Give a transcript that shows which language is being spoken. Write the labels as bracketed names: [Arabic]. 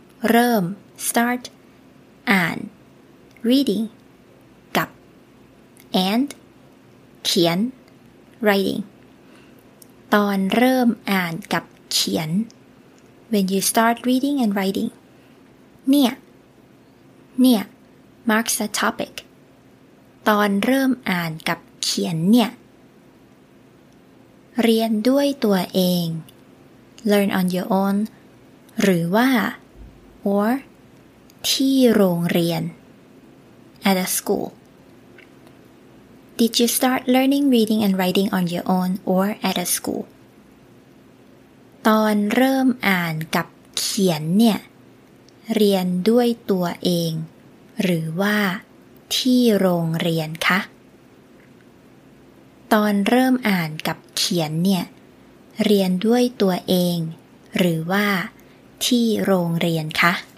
[Thai] เริ่ม [English] start [Thai] อ่าน [English] reading [Thai] กับ [English] and [Thai] เขียน [English] writing [Thai] ตอนเริ่มอ่านกับเขียน [English] when you start reading and writing. [Thai] เนี่ย เนี่ย [English] marks a topic. [Thai] ตอนเริ่มอ่านกับเขียนเนี่ย เรียนด้วยตัวเอง [English] learn on your own, [Thai] หรือว่า [English] or [Thai] ที่โรงเรียน [English] at a school. Did you start learning reading and writing on your own or at a school? [Thai] ตอนเริ่มอ่านกับเขียนเนี่ยเรียนด้วยตัวเองหรือว่าที่โรงเรียนคะตอนเริ่มอ่านกับเขียนเนี่ยเรียนด้วยตัวเองหรือว่าที่โรงเรียนคะ